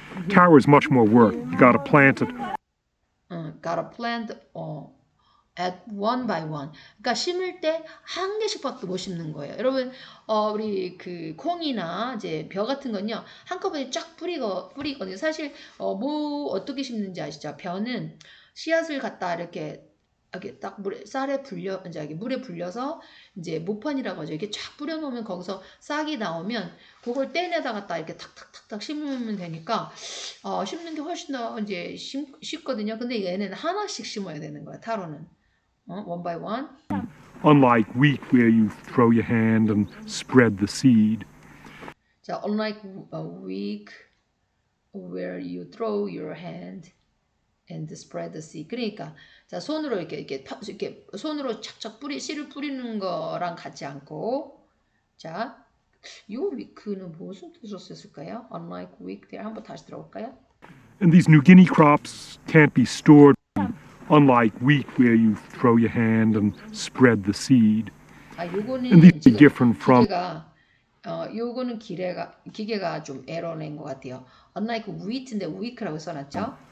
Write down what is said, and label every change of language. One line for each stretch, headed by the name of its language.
English: Taro is much more work. You gotta plant it. gotta plant at one by one.
Korean: 그러니까 심을 때 한 개씩 밖에 못 심는 거예요. 여러분, 우리 그 콩이나 이제 벼 같은 건요, 한꺼번에 쫙 뿌리거든요. 사실, 뭐, 어떻게 심는지 아시죠? 벼는 씨앗을 갖다 이렇게, 이렇게 딱 물에, 쌀에 불려, 이제 이렇게 물에 불려서 이제 모판이라고 하죠. 이렇게 쫙 뿌려놓으면 거기서 싹이 나오면 그걸 떼내다가 딱 이렇게 탁탁탁탁 심으면 되니까, 심는 게 훨씬 더 이제 쉽거든요. 근데 얘는 하나씩 심어야 되는 거야, 타로는.
English: 원 바이 원. Unlike wheat where you throw your hand and spread the seed. 자, unlike wheat where you throw your hand and spread the seed.
Korean: 그러니까 자, 손으로 이렇게 손으로 착착 뿌리 씨를 뿌리는 거랑 같지 않고 자, 요 wheat는 무슨 뜻이었을까요?
English: Unlike wheat there
Korean: 한번 다시 들어볼까요?
English: And these New Guinea crops can't be stored unlike wheat where you throw your hand and spread the seed.
Korean: 아, 요거는
English: And these are different from
Korean: 요거는 기계가 좀 에러 낸 것 같아요. Unlike wheat인데 wheat라고 써 놨죠?